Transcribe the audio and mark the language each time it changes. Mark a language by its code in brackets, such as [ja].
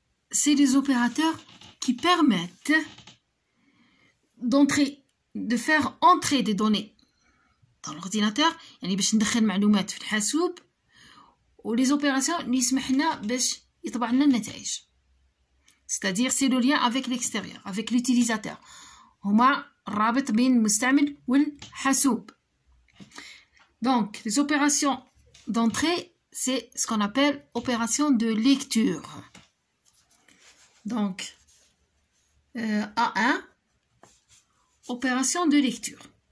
[fr] C'est les opérateurs qui permettent d'entrer, de faire entrer des données dans l'ordinateur, [ar] يعني باش ندخل المعلومات في الحاسوب [fr] ou les opérations [ar] اللي يسمحنا باش يطبع لنا النتائج. [fr] C'est-à-dire c'est le lien avec l'extérieur, avec l'utilisateur. [ar] هما الرابط بين المستعمل والحاسوب. [fr] Donc les opérations d'entrée, c'est ce qu'on appelle opérations de lecture. Donc A1, opération de lecture.